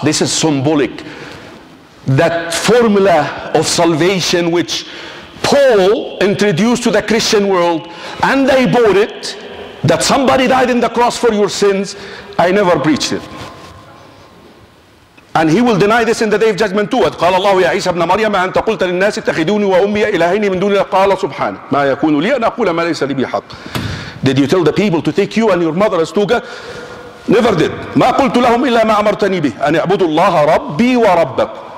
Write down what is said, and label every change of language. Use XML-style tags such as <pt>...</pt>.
<en>This is symbolic. That formula of salvation which Paul introduced to the Christian world, and they bought it, that somebody died in the cross for your sins. I never preached it. And he will deny this in the Day of Judgment too.</en> <ar>قال الله يا عيسى ابن مريم أنت قلت للناس اتخذوني وأمي إلهين من دون الله قال سبحانه ما يكون لي أن أقول ما ليس لي به حق.</ar> <en>Did you tell the people to take you and your mother as two gods? Never did.</en> <ar>ما قلت لهم إلا ما أمرتني به أن أعبد الله ربي وربك.</ar>